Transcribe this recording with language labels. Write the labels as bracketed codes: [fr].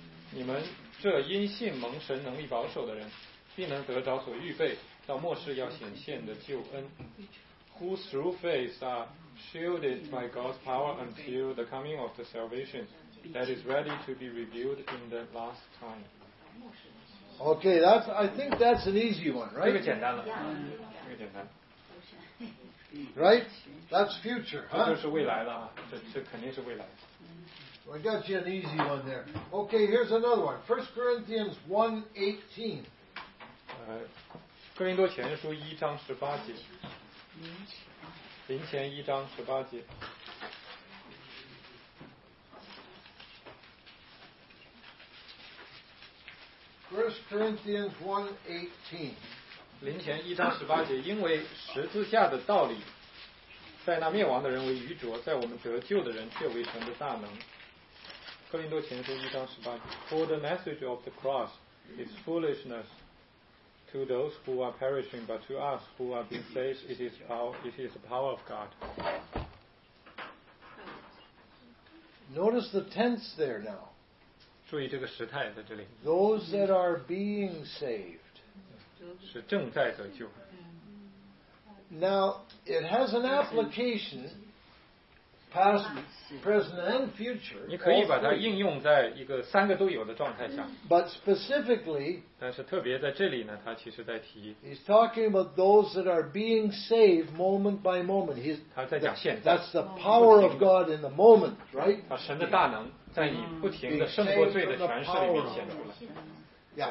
[zh] 你们这因信蒙神能力保守的人，必能得着所预备到末世要显现的救恩。 [en] Who through faith are shielded by God's power until the coming of the salvation that is ready to be revealed in the last time. Okay, that's, I think that's an easy one, right? [zh] 这个简单了，这个简单。 [en] Right? That's future, huh? [zh] 这就是未来了，这肯定是未来。 [en] I got you an easy one there. Okay, here's another one. 1 Corinthians 1:18. [zh] 哥林多前书一章十八节。林前一章十八节。 [en] First Corinthians 1:18. [zh] 林前一章十八节，因为十字架的道理，在那灭亡的人为愚拙，在我们得救的人却为神的大能。哥林多前书一章十八节。 [en] For the message of the cross is foolishness to those who are perishing, but to us who are being saved, it is the power of God. Notice the tense there now. [zh] 注意这个时态在这里。 [en] Those that are being saved. [zh] 是正在得救。 [en] Now, it has an application, past, present, and future. [zh] 你可以把它应用在一个三个都有的状态下。 [en] But specifically, [zh] 但是特别在这里呢，他其实在提。 [en] He's talking about those that are being saved moment by moment. [zh] 他在讲现在。 [en] That's the power of God in the moment, right? [zh] 啊，神的大能。在你不停的胜过罪的权势里面显出来，